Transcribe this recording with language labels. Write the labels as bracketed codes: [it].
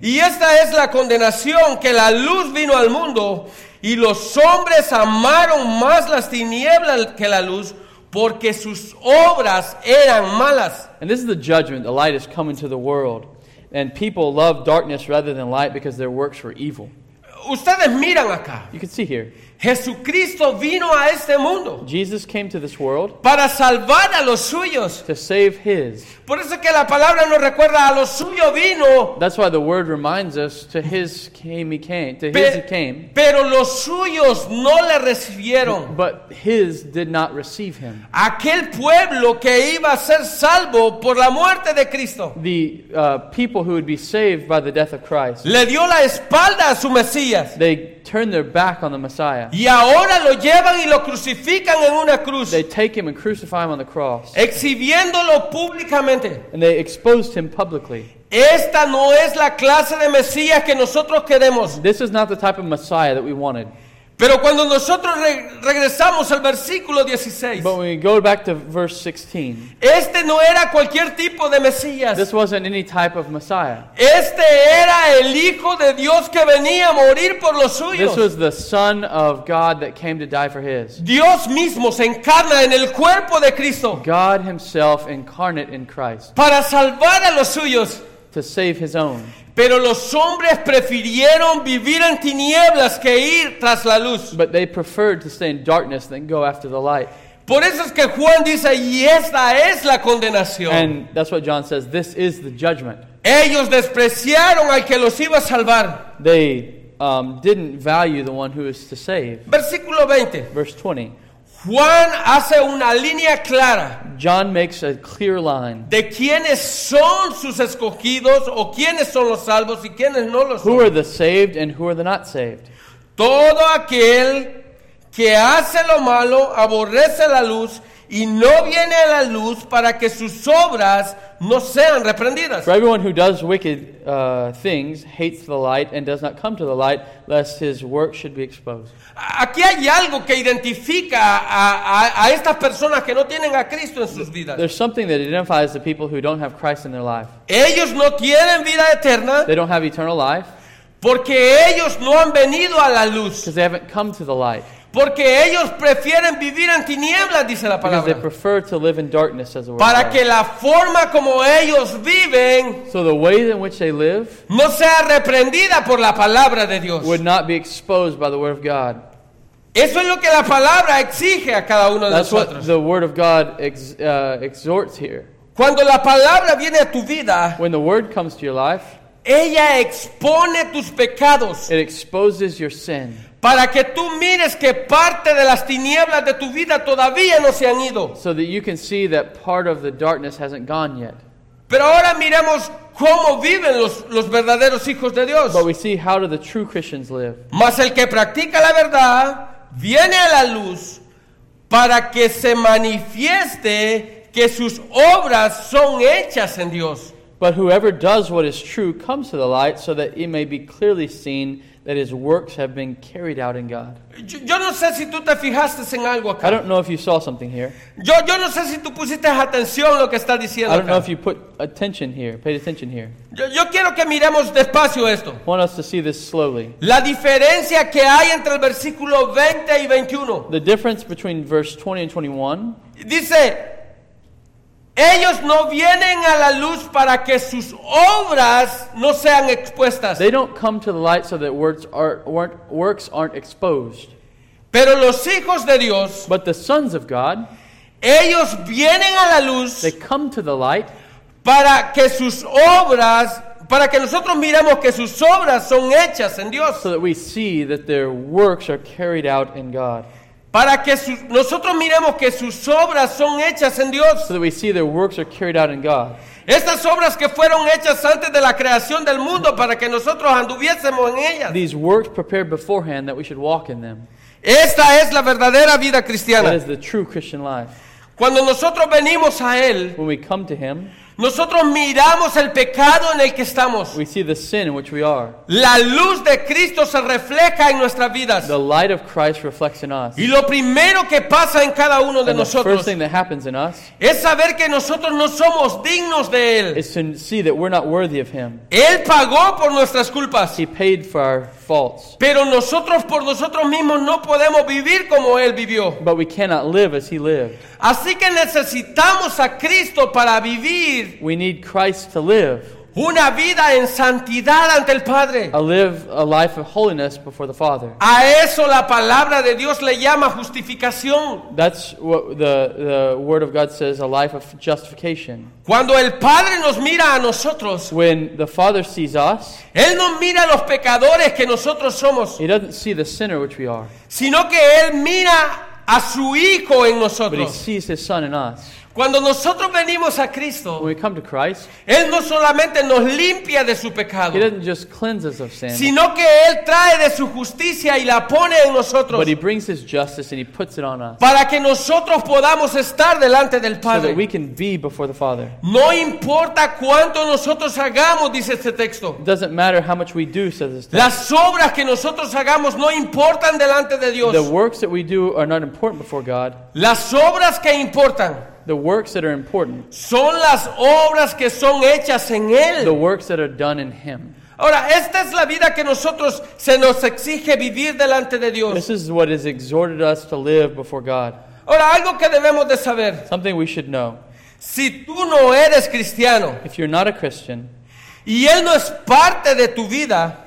[es] Y esta es la condenación, que la luz vino al mundo y los hombres amaron más las tinieblas que la luz. Porque sus obras eran malas. [en] And this is the judgment. The light has come into the world. And people love darkness rather than light because their works were evil. [es] Ustedes miran acá. [en] You can see here. [es] Jesucristo vino a este mundo. [en] Jesus came to this world. [es] Para salvar a los suyos. [en] To save his. [es] Por eso que la palabra nos recuerda a los suyos vino. [en] That's why the word reminds us to his came he came. To his he came. [es] Pero los suyos no le recibieron. [en] But his did not receive him. [es] Aquel pueblo que iba a ser salvo por la muerte de Cristo. [en] The people who would be saved by the death of Christ. [es] Le dio la espalda a su Mesías. [en] They turned their back on the Messiah. [es] Y ahora lo llevan y lo crucifican en una cruz. [en] They take him and crucify him on the cross. [es] Exhibiéndolo públicamente. [en] And they exposed him publicly. [es] Esta no es la clase de Mesías que nosotros queremos. [en] This is not the type of Messiah that we wanted. [es] Pero cuando nosotros regresamos al versículo 16. [en] But when we go back to verse 16. [es] Este no era cualquier tipo de Mesías. [en] This wasn't any type of Messiah. [es] Este era el Hijo de Dios que venía a morir por los suyos. [en] This was the Son of God that came to die for his. [es] Dios mismo se encarna en el cuerpo de Cristo. [en] God himself incarnate in Christ. [es] Para salvar a los suyos. [en] To save his own. [es] Pero los hombres prefirieron vivir en tinieblas que ir tras la luz. [en] But they preferred to stay in darkness than go after the light. [es] Por eso es que Juan dice, y esta es la condenación. [en] And that's what John says, this is the judgment. [es] Ellos despreciaron al que los iba a salvar. [en] They didn't value the one who is to save. [es] Versículo 20. [en] Verse 20. [es] Juan hace una línea clara. [en] John makes a clear line. [es] De quiénes son sus escogidos o quiénes son los salvos y quiénes no los son. [en] Who are the saved and who are the not saved? [es] Todo aquel que hace lo malo aborrece la luz y no viene a la luz para que sus obras no sean reprendidas. [en] For everyone who does wicked things hates the light and does not come to the light lest his work should be exposed. [es] Aquí hay algo que identifica a estas personas que no tienen a Cristo en sus vidas. [en] There's something that identifies the people who don't have Christ in their life. [es] Ellos no tienen vida eterna. [en] They don't have eternal life. [es] Porque ellos no han venido a la luz. [en] Because they haven't come to the light. [es] Porque ellos prefieren vivir en tinieblas, dice la palabra. [en] Because they prefer to live in darkness, says the word. [es] Para que la forma como ellos viven, [en] so the way in which they live, [es] no sea reprendida por la palabra de Dios. [en] Would not be exposed by the word of God. [es] Eso es lo que la palabra exige a cada uno de [en] That's [es] nosotros. [en] That's what the word of God exhorts here. [es] Cuando la palabra viene a tu vida, [en] when the word comes to your life, [es] Ella expone tus pecados. [en] It exposes your sin. [es] Para que tú mires que parte de las tinieblas de tu vida todavía no se han ido. [en] So that you can see that part of the darkness hasn't gone yet. [es] Pero ahora miremos cómo viven los verdaderos hijos de Dios. [en] But we see how do the true Christians live. [es] Mas el que practica la verdad viene a la luz para que se manifieste que sus obras son hechas en Dios. [en] But whoever does what is true comes to the light so that it may be clearly seen that his works have been carried out in God. [es] Yo no sé si tú te fijaste en algo acá. [en] I don't know if you saw something here. [es] Yo no sé si tú pusiste atención lo que está diciendo acá. [en] I don't know if you put attention here, paid attention here. [es] Yo quiero que miremos despacio esto. [en] I want us to see this slowly. [es] La diferencia que hay entre el versículo 20 y 21. [en] The difference between verse 20 and 21. [es] Dice, ellos no vienen a la luz para que sus obras no sean expuestas. [en] They don't come to the light so that works aren't exposed. [es] Pero los hijos de Dios, [en] but the sons of God, [es] ellos vienen a la luz, [en] they come to the light, [es] para que sus obras, para que nosotros miremos que sus obras son hechas en Dios. [en] So that we see that their works are carried out in God. [es] Para que nosotros miremos que sus obras son hechas en Dios. [en] So that we see their works are carried out in God. [es] Estas obras que fueron hechas antes de la creación del mundo para que nosotros anduviésemos en ellas. [en] These works prepared beforehand that we should walk in them. [es] Esta es la verdadera vida cristiana. [en] That is the true Christian life. [es] Cuando nosotros venimos a Él, [en] when we come to Him, [es] nosotros miramos el pecado en el que estamos. [en] We see the sin in which we are. [es] La luz de Cristo se refleja en nuestras vidas. [en] The light of Christ reflects in us. [es] Y lo primero que pasa en cada uno de nosotros, [en] the first thing that happens in us, [es] es saber que nosotros no somos dignos de Él. [en] Is to see that we're not worthy of Him. [es] Él pagó por nuestras culpas. [en] He paid for our faults. [es] Pero nosotros por nosotros mismos no podemos vivir como Él vivió. [en] But we cannot live as He lived. [es] Así que necesitamos a Cristo para vivir. [en] We need Christ to live. [es] Una vida en santidad ante el Padre. [en] A life of holiness before the Father. [es] A eso la palabra de Dios le llama justificación. [en] That's what the word of God says, a life of justification. [es] Cuando el Padre nos mira a nosotros, [en] when the Father sees us, [es] Él no mira a los pecadores que nosotros somos. [en] He doesn't see the sinner which we are. [es] Sino que Él mira a su Hijo en nosotros. [en] But He sees His Son in us. [es] Cuando nosotros venimos a Cristo, [en] when we come to Christ, [es] Él no solamente nos limpia de su pecado, [en] He doesn't just cleanse us of sin, [es] sino que Él trae de su justicia y la pone en nosotros. [en] But He brings His justice and He puts it on us. [es] Para que nosotros podamos estar delante del Padre. [en] So that we can be before the Father. [es] No importa cuánto nosotros hagamos, dice este texto. [en] It doesn't matter how much we do, says this text. [es] Las obras que nosotros hagamos no importan delante de Dios. [en] The works that we do are not important before God. [es] Las obras que importan, [en] the works that are important, [es] son las obras que son hechas en Él. [en] The works that are done in Him. [es] Ahora, esta es la vida que nosotros se nos exige vivir delante de Dios. [en] This is what is exhorted us to live before God. [es] Ahora, algo que debemos de saber. [en] Something we should know. [es] Si tú no eres cristiano, [en] if you're not a Christian, [es] y Él no es parte de tu vida,